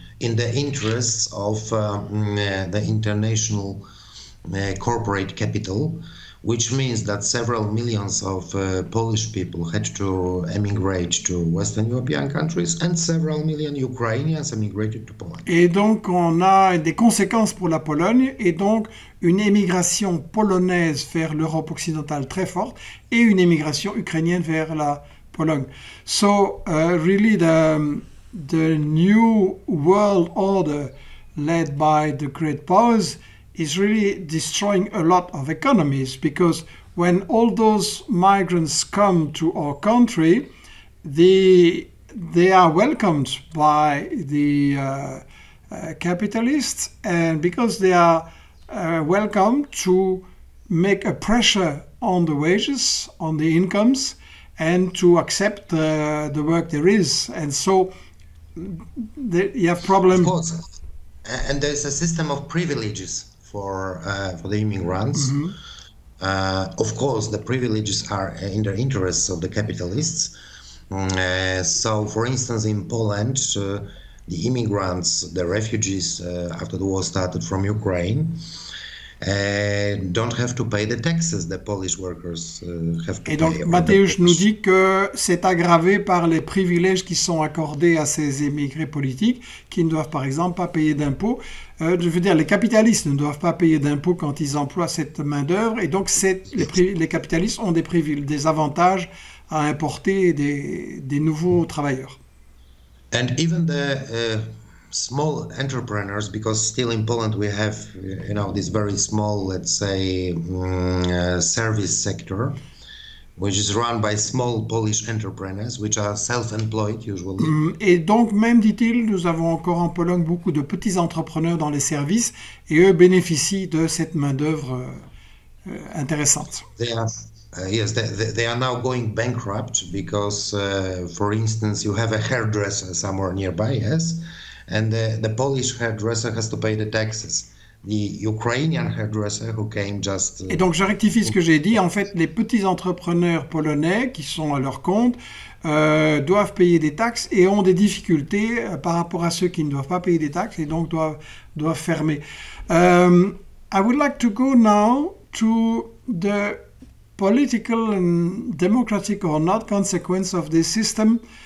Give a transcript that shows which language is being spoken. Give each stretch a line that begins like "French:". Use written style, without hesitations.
English: in the interests of the international corporate capital, which means that several millions of Polish people had to emigrate to Western European countries and several million Ukrainians emigrated to Poland.
French: Et donc on a des conséquences pour la Pologne et donc une émigration polonaise vers l'Europe occidentale très forte et une émigration ukrainienne vers la Pologne.
English: So really the new world order led by the great powers is really destroying a lot of economies, because when all those migrants come to our country, they are welcomed by the capitalists, and because they are welcome to make a pressure on the wages, on the incomes, and to accept the work there is. And so you have problems. Of course. And there's a system of privileges for the immigrants. Mm-hmm. Of course, the privileges are in the interests of the capitalists. So, for instance, in Poland, the immigrants, the refugees after the war started from Ukraine, don't have to pay the taxes the Polish workers have to pay.
French: Et donc,
English: pay
French: Mateusz nous dit que c'est aggravé par les privilèges qui sont accordés à ces émigrés politiques qui ne doivent, par exemple, pas payer d'impôts. Je veux dire, les capitalistes ne doivent pas payer d'impôts quand ils emploient cette main-d'œuvre. Et donc, les capitalistes ont des avantages à importer des nouveaux travailleurs.
English: And even the small entrepreneurs, because still in Poland we have, you know, this very small, let's say, service sector, which is run by small Polish entrepreneurs, which are self-employed usually.
French: Et donc même, dit-il, nous avons encore en Pologne beaucoup de petits entrepreneurs dans les services, et eux bénéficient de cette main-d'œuvre intéressante.
English: They are now going bankrupt because, for instance, you have a hairdresser somewhere nearby, yes? And the Polish hairdresser has to pay the taxes. The Ukrainian hairdresser who came just...
French: Et donc, je rectifie ce que j'ai dit. En fait, les petits entrepreneurs polonais qui sont à leur compte doivent payer des taxes et ont des difficultés par rapport à ceux qui ne doivent pas payer des taxes et donc doivent fermer.
English: I would like to go now to the political and democratic or not consequence of this system.